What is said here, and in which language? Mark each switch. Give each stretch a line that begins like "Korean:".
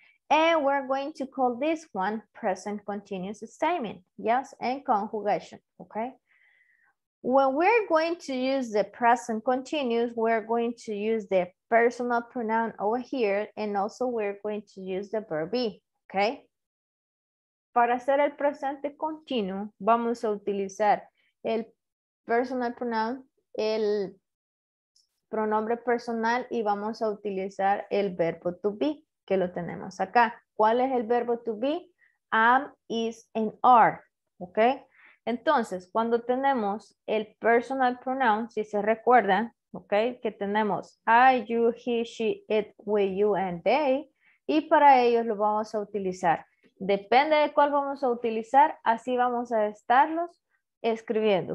English: And we're going to call this one present continuous statement. Yes, and conjugation, okay? When we're going to use the present continuous, we're going to use the personal pronoun over here, and also we're going to use the verb be, okay?
Spanish: Para hacer el presente continuo, vamos a utilizar el personal pronoun, el pronombre personal y vamos a utilizar el verbo to be que lo tenemos acá. ¿Cuál es el verbo to be?
English: Am, is, and are.
Spanish: ¿Ok? Entonces, cuando tenemos el personal pronoun, si se recuerdan, ¿ok? Que tenemos
English: I, you, he, she, it, we, you, and they.
Spanish: Y para ellos lo vamos a utilizar. Depende de cuál vamos a utilizar, así vamos a estarlos escribiendo.